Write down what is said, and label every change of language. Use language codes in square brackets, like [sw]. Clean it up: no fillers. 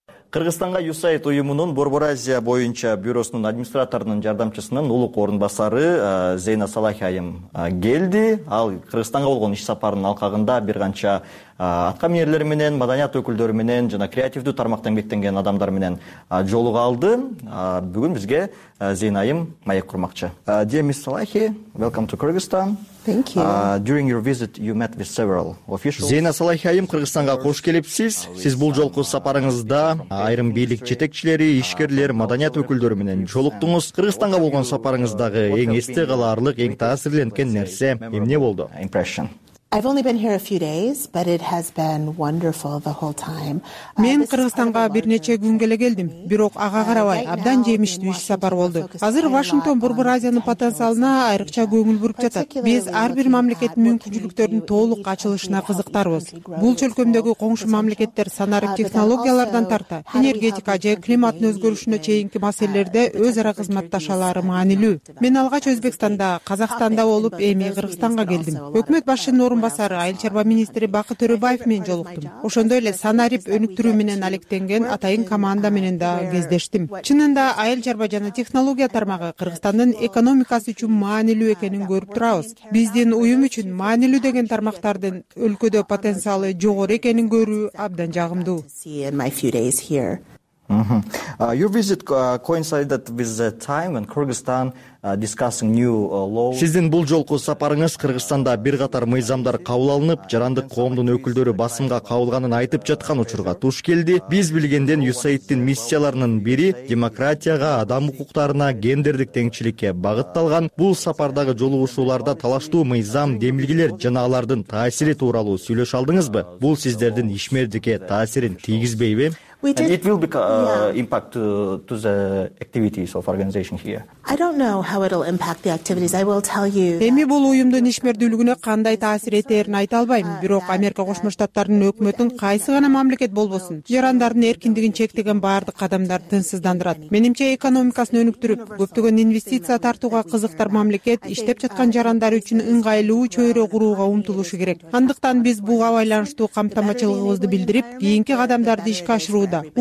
[ky] Кыргызстанга USAID уюмунун Борбор Азия боюнча бюросунун администраторунун жардамчысынын улук орун басары Зейна Салахи айым келди. Ал Кыргызстанга болгон иш сапарынын алкагында бир канча аткаминерлер менен, маданият өкүлдөрү менен жана креативдүү тармакта эмгектенген адамдар менен жолуга алды. Бүгүн бизге Зейна айым маек курмакчы. [en] Dear Ms. Салахи, welcome to Kyrgyzstan. Thank you. During your visit you met with several officials. [ky] Зейна Салахи айым, Кыргызстанга кош келипсиз. Сиз бул жолку сапарыңызда айрым бийлик жетекчилери, ишкерлер, маданият өкүлдөрү менен жолуктуңуз. Кыргызстанга болгон сапарыңыздагы эң эсте калаарлык, эң таасирленген нерсе эмне болду? [en] Impression. I've only been here a few days, but it has been wonderful the whole time. [ky] Мен Кыргызстанга бир нече күн эле келдим, бирок ага карабай абдан жемиштүү иш сапар болду. Азыр Вашингтон Борбор Азиянын потенциалына айрыкча көңүл буруп жатат. Биз ар бир мамлекеттин мүмкүнчүлүктөрүн толук ачылышына кызыктарбыз. Бул чөлкөмдөгү коңшу мамлекеттер санарык технологиялардан тарта, энергетика же климаттын өзгөрүшүнө чейинки маселелерде өз ара кызматташалары маанилүү. Мен алгач Өзбекстанда, Казакстанда болуп, эми Кыргызстанга келдим. Өкмөт башчынын орун басары, айыл чарба министри Бакыт Төрөбаев менен жолуктум. Ошондой эле Санарип өнүктүрүү менен алектенген атайын команда менен да кездештим. Чынында айыл чарба жана технология тармагы Кыргызстандын экономикасы үчүн маанилүү экенин көрүп турабыз. Биздин уюм үчүн маанилүү деген тармактардын өлкөдө потенциалы жогору экенин көрүү абдан жагымдуу. [en] Your visit coincided with the time when Kyrgyzstan discussing new law. [ky] Сиздин бул жолку сапарыңыз Кыргызстанда бир катар мыйзамдар кабыл алынып, жарандык коомдун өкүлдөрү басымга кабылганын айтып жаткан учурга туш келди. Биз билгенден USAID'тин миссияларынын бири демократияга, адам укуктарына, гендердик теңчиликке багытталган. Бул сапардагы жолугушууларда талаштуу мыйзам, демилгилер жана алардын таасири тууралуу сүйлөшө алдыңызбы? Бул сиздердин ишмердикке таасирин тийгизбейби? [en] And it will be impact to the activities of organization here. I don't know how it'll impact the activities. I will tell you. [ky] Эми бул уюмдун ишмердүүлүгүнө кандай таасир этерин айта албайм, бирок Америка Кошмо Штаттарынын өкмөтүн кайсы гана мамлекет болбосун, жарандардын эркиндигин чектеген баардык кадамдар тынчсыздандырат. Менимче экономикасын өнүктүрүп, көптөгөн инвестиция тартууга кызыктар мамлекет иштеп жаткан жарандар үчүн ыңгайлуу чөйрө курууга умтулушу керек. Андыктан биз буга байланыштуу камтамачылыгыбызды билдирип, кийинки кадамдарды ишке ашыруу жатууда.